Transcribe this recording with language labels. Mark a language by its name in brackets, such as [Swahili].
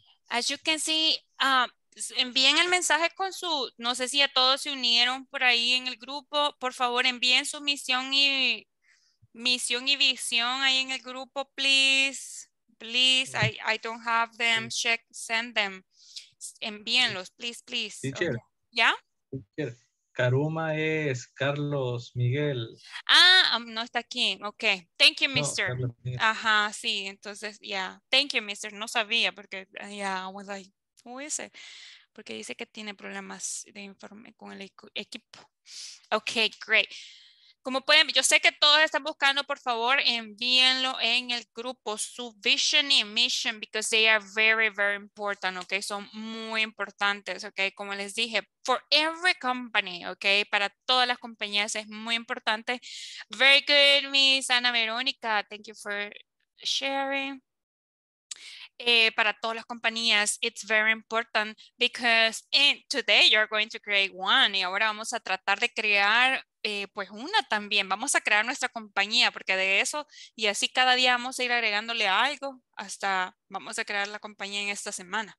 [English] As you can see, [Spanish] envíen el mensaje con su, no sé si a todos se unieron por ahí en el grupo, por favor envíen su misión y visión ahí en el grupo, [English] please, I don't have them, check, send them, [Spanish] envíenlos, please. [English] Teacher. Okay. Yeah? [Spanish] Teacher. Karuma es Carlos Miguel. Ah, no está aquí, okay. [English] Thank you, mister. [Spanish] No, ajá, sí, entonces, yeah. [English] Thank you, mister, [Spanish] no sabía porque, [English] yeah, I was like, who is it? [Spanish] Porque dice que tiene problemas de informe con el equipo. Okay, great. Como pueden, yo sé que todos están buscando, por favor, envíenlo en el grupo, su vision y mission, [English] because they are very, very important, [Spanish] okay? Son muy importantes, okay? Como les dije, [English] for every company, [Spanish] okay? Para todas las compañías es muy importante. [English] Very good, Miss Ana Verónica. Thank you for sharing. [Spanish] Para todas las compañías, [English] it's very important because today you're going to create one. [Spanish] Y ahora vamos a tratar de crear pues una también. Vamos a crear nuestra compañía porque de eso, y así cada día vamos a ir agregándole algo hasta vamos a crear la compañía en esta semana.